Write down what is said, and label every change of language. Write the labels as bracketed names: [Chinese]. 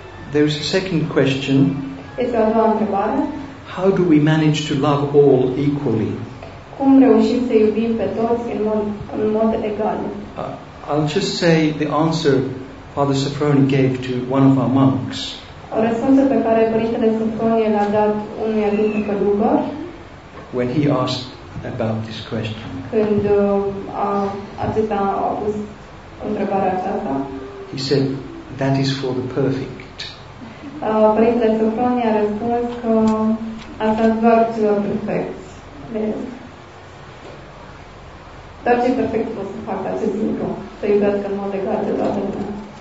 [English] There is a second question. [Romanian] Este o a doua întrebare. [English] How do we manage to love all equally? [Romanian] Cum reușim să iubim pe toți în mod egal? [English] I'll just say the answer Father Sofroni gave to one of our monks. [Romanian] Răspunsul pe care Părintele Sofroni l-a dat unui dintre călugări. [English] When he asked about this question. [Romanian] Când acesta a pus întrebarea aceasta. [English] He said, "That is for the perfect." [Romanian] Părintele Sofronie a răspuns că asta doar celor perfecți. Doar cei perfecți pot să facă acest lucru, să iubească în mod egal de toată lumea.